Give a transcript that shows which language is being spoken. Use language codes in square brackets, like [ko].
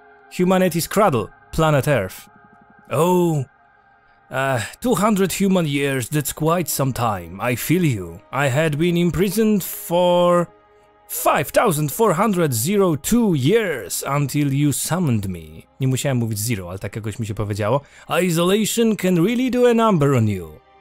[en] Humanity's cradle, planet Earth. Oh, 200 human years, that's quite some time. I feel you. I had been imprisoned for 5,402 years until you summoned me. [pl] Nie musiałem mówić zero, ale tak jakoś mi się powiedziało. [en] Isolation can really do a number on you.